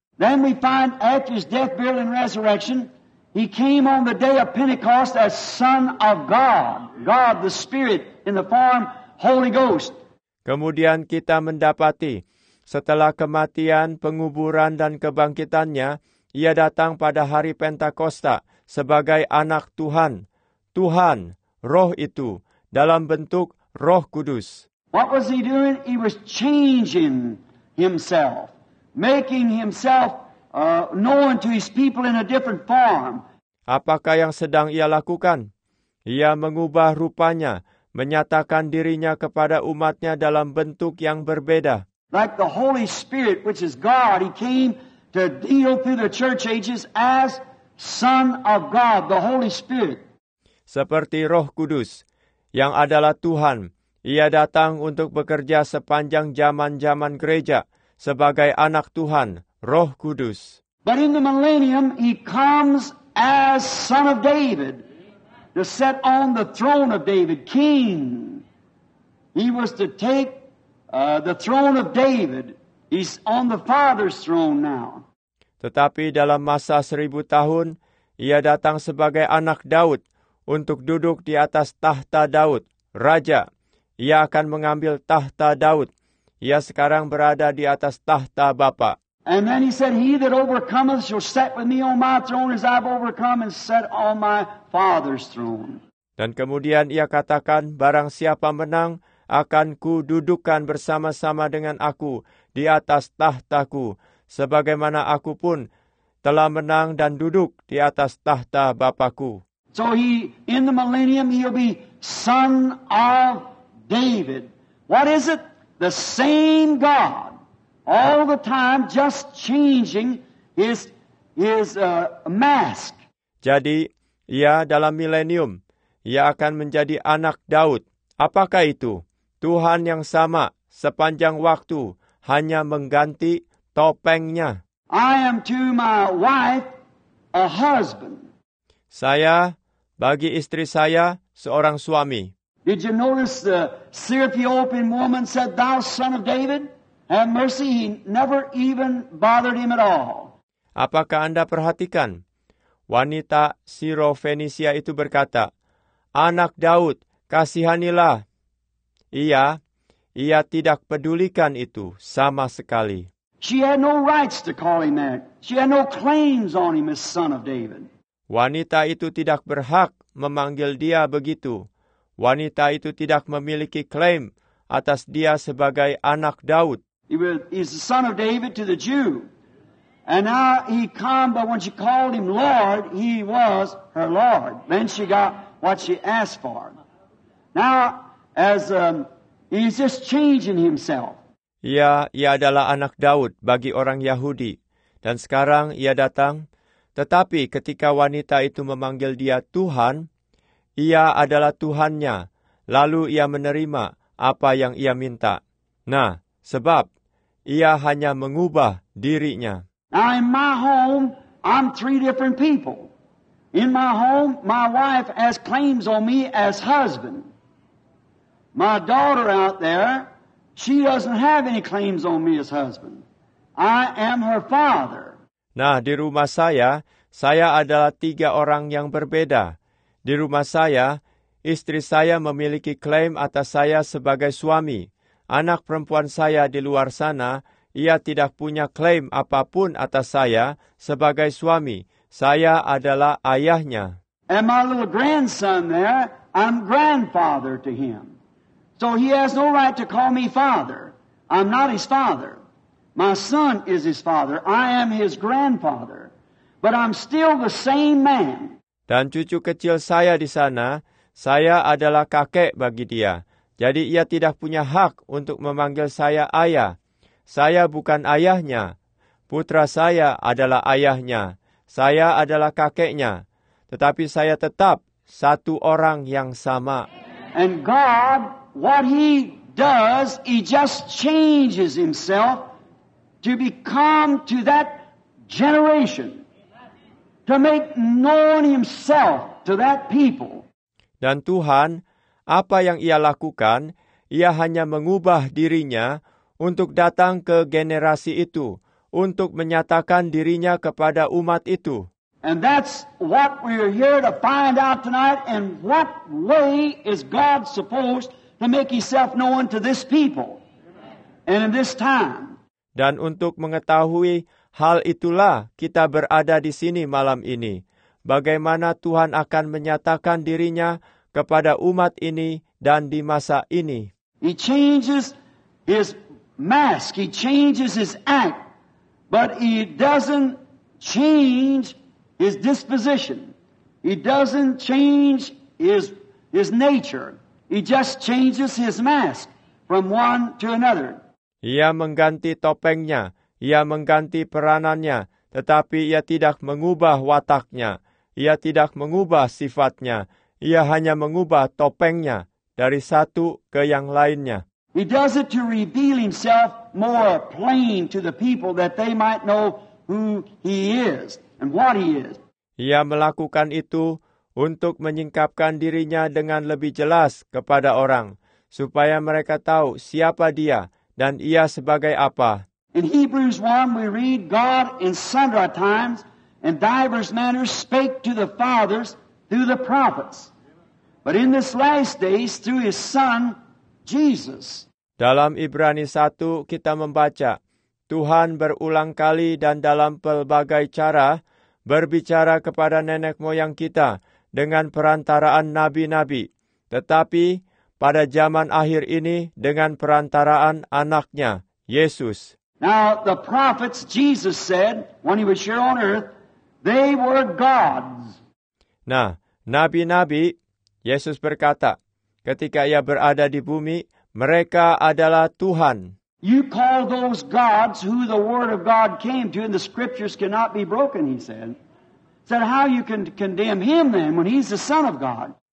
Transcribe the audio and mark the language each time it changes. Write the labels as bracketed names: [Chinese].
[English] Then we find after his death, burial, and resurrection, he came on the day of Pentecost as Son of God, God the Spirit, in the form Holy Ghost. [Indonesian] Kemudian kita mendapati, setelah kematian, penguburan, dan kebangkitannya, ia datang pada hari Pentakosta sebagai anak Tuhan, Tuhan, Roh itu, dalam bentuk Roh Kudus. [English] What was he doing? He was changing himself, making himself known to his people in a different form. [Indonesian] Apakah yang sedang ia lakukan? Ia mengubah rupanya, menyatakan dirinya kepada umatnya dalam bentuk yang berbeda. [English] Like the Holy Spirit, which is God, he came to deal through the church ages as Son of God, the Holy Spirit. [Indonesian] Seperti Roh Kudus, yang adalah Tuhan, ia datang untuk bekerja sepanjang zaman-zaman gereja sebagai anak Tuhan, Roh Kudus. [English] But in the millennium, he comes as Son of David, to sit on the throne of David, king. He was to take the throne of David. He's on the Father's throne now. [Indonesian] Tetapi dalam masa 1000 tahun, ia datang sebagai anak Daud untuk duduk di atas tahta Daud, raja. Ia akan mengambil tahta Daud. Ia sekarang berada di atas tahta Bapa. [English] And then he said, "He that overcometh shall sit with me on my throne as I've overcome and sat on my Father's throne." [Indonesian] Dan kemudian ia katakan, "Barang siapa menang, akan ku dudukkan bersama-sama dengan aku di atas tahtaku, sebagaimana aku pun telah menang dan duduk di atas tahta Bapa-Ku." [English] So he, in the millennium, he'll be Son of David. What is it? The same God, all the time just changing his mask. [Indonesian] Jadi, ia dalam milenium, ia akan menjadi anak Daud. Apakah itu? Tuhan yang sama sepanjang waktu, hanya mengganti topengnya. [English] I am to my wife a husband. [Indonesian] Saya bagi istri saya seorang suami. [English] Did you notice the Syrophoenician woman said, "Thou son of David, have mercy"? He never even bothered him at all. [Indonesian] Apakah Anda perhatikan? Wanita Syrophoenician itu berkata, "Anak Daud, kasihanilah." Ia tidak pedulikan itu sama sekali. [English] She had no rights to call him that. She had no claims on him as son of David. [Indonesian] Wanita itu tidak berhak memanggil dia begitu. Wanita itu tidak memiliki klaim atas dia sebagai anak Daud. [English] He's the son of David to the Jew. And now he come, but when she called him Lord, he was her Lord. Then she got what she asked for. Now, as he's just changing himself. [Indonesian] Ya, ia adalah anak Daud bagi orang Yahudi. Dan sekarang ia datang. Tetapi ketika wanita itu memanggil dia Tuhan, ia adalah Tuhannya. Lalu ia menerima apa yang ia minta. Nah, sebab ia hanya mengubah dirinya. [English] Now in my home, I'm three different people. In my home, my wife has claims on me as husband. My daughter out there, she doesn't have any claims on me as husband. I am her father. [Indonesian] Nah, di rumah saya adalah tiga orang yang berbeda. Di rumah saya, istri saya memiliki klaim atas saya sebagai suami. Anak perempuan saya di luar sana, ia tidak punya klaim apapun atas saya sebagai suami. Saya adalah ayahnya. [English] And my little grandson there, I'm grandfather to him. So he has no right to call me father. I'm not his father. My son is his father. I am his grandfather. But I'm still the same man. [Indonesian] Dan cucu kecil saya di sana, saya adalah kakek bagi dia. Jadi ia tidak punya hak untuk memanggil saya ayah. Saya bukan ayahnya. Putra saya adalah ayahnya. Saya adalah kakeknya. Tetapi saya tetap satu orang yang sama. [English] And God, what he does, he just changes himself to become to that generation, to make known himself to that people. [Indonesian] Dan Tuhan, apa yang ia lakukan, ia hanya mengubah dirinya untuk datang ke generasi itu, untuk menyatakan dirinya kepada umat itu. [English] And that's what we're here to find out tonight, and what way is God supposed to make himself known to this people and in this time. [Indonesian] Dan untuk mengetahui hal itulah kita berada di sini malam ini. Bagaimana Tuhan akan menyatakan dirinya kepada umat ini dan di masa ini. [English] He changes his mask, he changes his act, but he doesn't change his disposition. He doesn't change his nature. He just changes his mask from one to another. [Indonesian] Ia mengganti topengnya, ia mengganti peranannya, tetapi ia tidak mengubah wataknya, ia tidak mengubah sifatnya, ia hanya mengubah topengnya dari satu ke yang lainnya. [English] He does it to reveal himself more plain to the people that they might know who he is and what he is. [Indonesian] Ia melakukan itu untuk menyingkapkan dirinya dengan lebih jelas kepada orang, supaya mereka tahu siapa dia dan ia sebagai apa. [English] In Hebrews 1 we read, God in sundry times and divers manners spake to the fathers through the prophets. But in this last days through his son, Jesus. [Indonesian] Dalam Ibrani 1 kita membaca, Tuhan berulang kali dan dalam pelbagai cara berbicara kepada nenek moyang kita dengan perantaraan nabi-nabi, tetapi pada zaman akhir ini dengan perantaraan anaknya, Yesus. [English] Now the prophets, Jesus said, when he was here on earth, they were gods. [Indonesian] Nah, nabi-nabi, Yesus berkata, ketika ia berada di bumi, mereka adalah Tuhan. [English] You call those gods who the word of God came to and the scriptures cannot be broken, he said. Said, how you can condemn him then when he's the son of God?